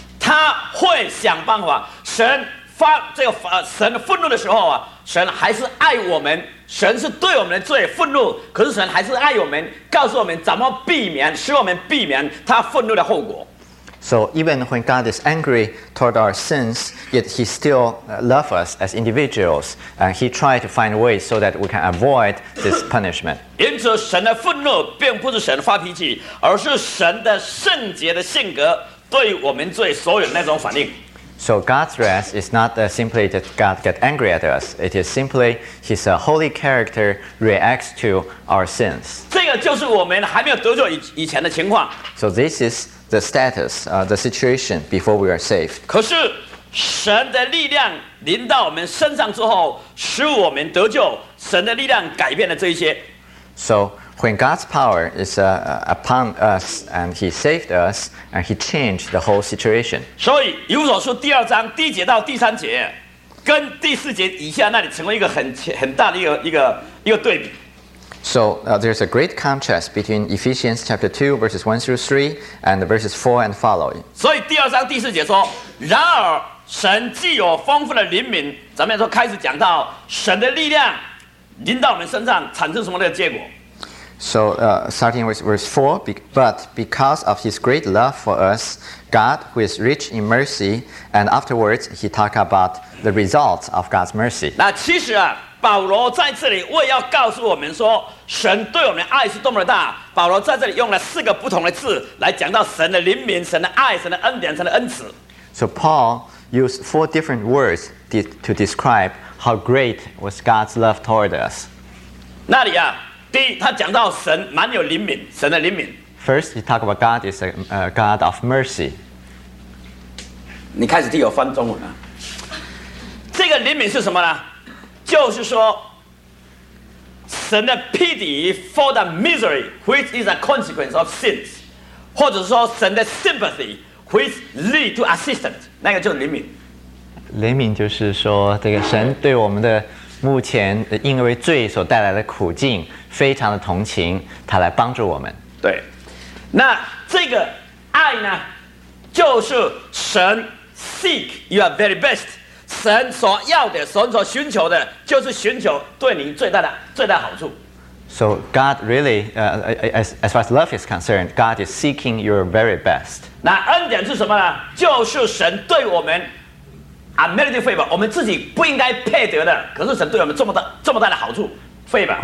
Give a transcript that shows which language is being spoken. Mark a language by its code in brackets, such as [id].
[zh] 他会想办法，神发这个神愤怒的时候啊，神还是爱我们。神是对我们的罪愤怒，可是神还是爱我们，告诉我们怎么避免，使我们避免他愤怒的后果。 [en] So even when God is angry toward our sins, yet He still loves us as individuals, and He tries to find ways so that we can avoid this punishment. [zh] 因此，神的愤怒并不是神发脾气，而是神的圣洁的性格对我们罪所有那种反应。 [en] So God's wrath is not simply that God gets angry at us. It is simply His holy character reacts to our sins. [zh] 这个就是我们还没有得救以前的情况。 [en] So this is the status, the situation before we are saved. [zh] 可是神的力量临到我们身上之后，使我们得救。神的力量改变了这一些。 [en] So when God's power is upon us and He saved us and He changed the whole situation. [zh] 所以以弗所书第二章第一节到第三节跟第四节以下那里成为一个 很大的一个对比。 [en] So there's a great contrast between Ephesians chapter 2 verses 1 through 3 and verses 4 and following. [zh] 所以第二章第四节说，然而神既有丰富的怜悯，咱们说开始讲到神的力量临到我们身上产生什么的结果。 [en] So starting with verse 4, but because of His great love for us, God, who is rich in mercy, and afterwards He talked about the results of God's mercy. [zh] 那其实啊，保罗在这里为要告诉我们说神对我们的爱是多么的大，保罗在这里用了四个不同的字来讲到神的怜悯、神的爱、神的恩典、神的恩慈。 [en] So Paul used four different words to describe how great was God's love toward us. [zh] 那里啊，第一，他讲到神蛮有怜悯，神的怜悯。 [en] First, he talked about God is a God of mercy. [zh] 你开始替我翻中文啊。这个怜悯是什么呢？就是说神的 [en] pity for the misery which is a consequence of sins， [zh] 或者说神的 [en] sympathy which lead to assistance， [zh] 那个就是怜悯。怜悯就是说这个神对我们的目前因为罪所带来的苦境非常的同情，他来帮助我们。对，那这个爱呢，就是神 [en] seek your very best， [zh] 神所要的，神所寻求的，就是寻求对你最大好处。 [en] So God really, as far as love is concerned, God is seeking your very best. [zh] 那恩典是什么呢？就是神对我们 [en] unmerited favor， [zh] 我们自己不应该配得的，可是神对我们这么大的好处 favor,